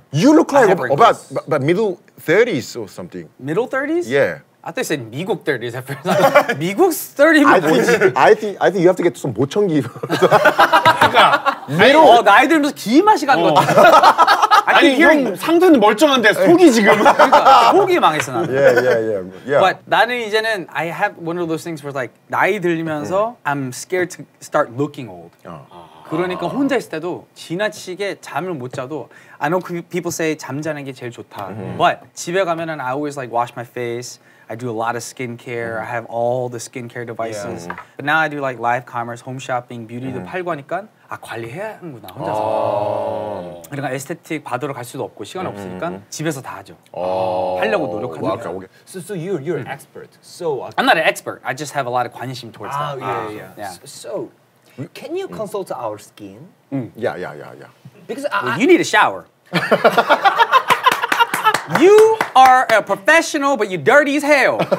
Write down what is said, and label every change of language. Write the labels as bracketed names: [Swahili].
[English] You look like about middle 30s or something. Middle 30s? Yeah. I thought they said 미국 30s at first. [Korean] 미국 30면 뭐지? [English] I think you have to get some 보청기. [Korean] 그러니까 나이 들면서 기 맛이 간 거 같아. 아니 형 상태는 멀쩡한데 속이 지금. 그러니까 속이 망했어 나. [English] Yeah, yeah, yeah, yeah. But [Korean] 나는 이제는 [English] I have one of those things where like [Korean] 나이 들면서 [English] I'm scared to start looking old. [Korean] 그러니까 혼자 있을 때도 지나치게 잠을 못 자도 [English] I know people say [Korean] 잠자는 게 제일 좋다. [English] But [Korean] 집에 가면은 [English] I always like wash my face. I do a lot of skincare. I have all the skincare devices. Yeah. But now I do like live commerce, home shopping, [Korean] beauty도 팔고 하니까 아 관리해야 하는구나 혼자서. 그러니까 에스테틱 받으러 갈 수도 없고 시간 없으니까 집에서 다 하죠. 하려고 노력하는 거야. Okay. [English] So you're an expert. So I'm not an expert. I just have a lot of 관심 towards that. So can you consult our skin? Yeah. Because you need a shower. You are a professional, but you're dirty as hell.